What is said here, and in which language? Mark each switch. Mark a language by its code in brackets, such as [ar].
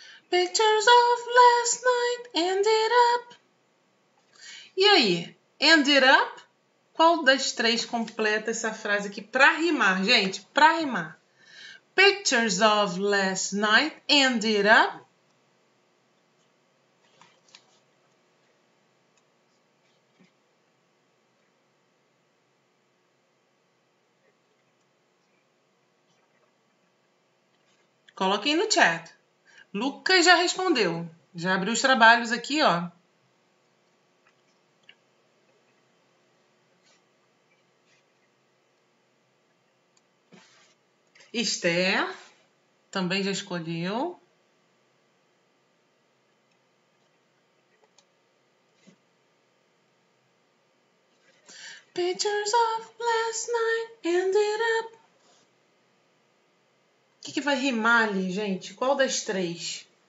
[en] Pictures of last night ended up. [pt] E aí? [en] Ended up? [pt] Qual das três completa essa frase aqui pra rimar, gente? Pra rimar. [en] Pictures of last night ended up. [pt] Coloquei no chat. Lucas já respondeu. Já abriu os trabalhos aqui, ó. Esther também já escolheu. [en] Pictures of last night ended up. [pt] O que vai rimar ali, gente? Qual das três?